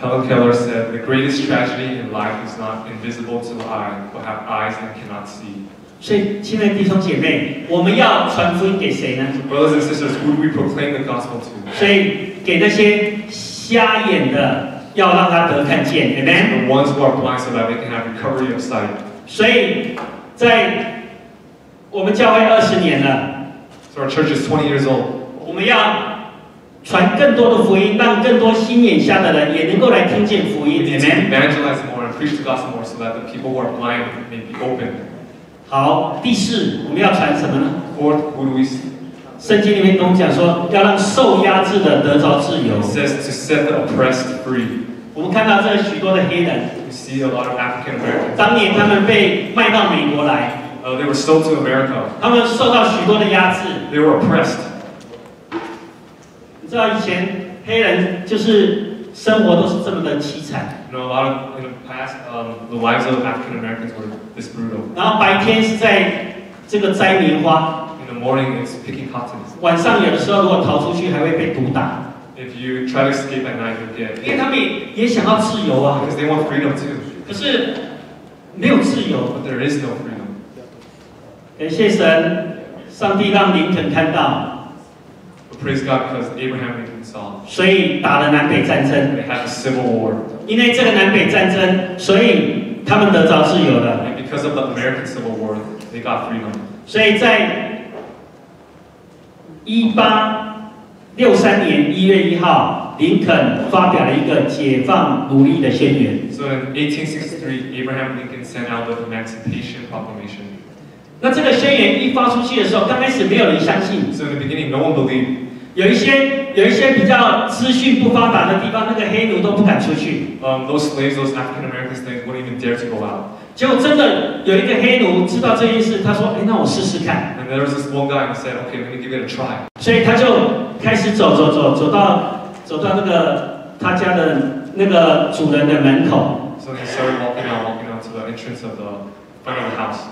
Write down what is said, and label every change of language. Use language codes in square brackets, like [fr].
[en] Helen Keller said, "The greatest tragedy in life is not invisible to the eye, but have eyes and cannot see." [zh] 所以，亲爱的弟兄姐妹，我们要传福音给谁呢 [en] so, ？Brothers and sisters, who we proclaim the gospel to? [zh] 所以。给那些瞎眼的，要让他得看见 ，Amen。 [en] The ones who are blind so that they can have recovery of sight。 [zh] 所以，在我们教会20年了。 [en] So our church is 20 years old。 [zh] 我们要传更多的福音，让更多心眼瞎的人也能够来听见福音 ，Amen。 [en] Evangelize more and preach the gospel more so that the people who are blind may be opened。 [zh] 好，第四，我们要传什么呢 [en] ？Fourth, who do we see? [zh] 圣经里面跟我们讲说，要让受压制的得着自由。 [en] It says to set the oppressed free. [zh] 我们看到这许多的黑人。 [en] We see a lot of African Americans. [zh] 当年他们被卖到美国来。 [en] They were sold to America. [zh] 他们受到许多的压制。 [en] They were oppressed. [zh] 你知道以前黑人就是生活都是这么的凄惨。 [en] You know, a lot of in the past, the lives of African Americans were this brutal. [zh] 然后白天是在这个摘棉花。 [en] In the morning, it's picking cotton. [zh] 晚上有的时候，如果逃出去，还会被毒打。 [en] If you try to escape at night, you'll get. [zh] 因为他们也想要自由啊。 [en] Because they want freedom too. [zh] 可是没有自由。 [en] But there is no freedom. [zh] 感谢神，上帝让林肯看到。 [en] But praise God because Abraham Lincoln saw. [zh] 所以打了南北战争。 [en] They had a civil war. [zh] 因为这个南北战争，所以他们得着自由了。 [en] And because of the American Civil War, they got freedom. [zh] 所以在一八 63年1月1号, 林肯发表了一个解放奴隶的宣言。 [en] So in 1863, Abraham Lincoln sent out the Emancipation Proclamation. [zh] 那这个宣言一发出去的时候，刚开始没有人相信。 [en] So in the beginning, no one believed. [zh] 有一些比较资讯不发达的地方，那个黑奴都不敢出去。 [en] Those slaves, those African Americans, they wouldn't even dare to go out. [zh] 结果真的有一个黑奴知道这件事，他说：“哎，那我试试看。” [en] And there was this one guy who said, "Okay, let me give it a try." [zh] 所以他就开始走走走走到那个他家的那个主人的门口。 [en] So he started walking out to the entrance of the front of the house.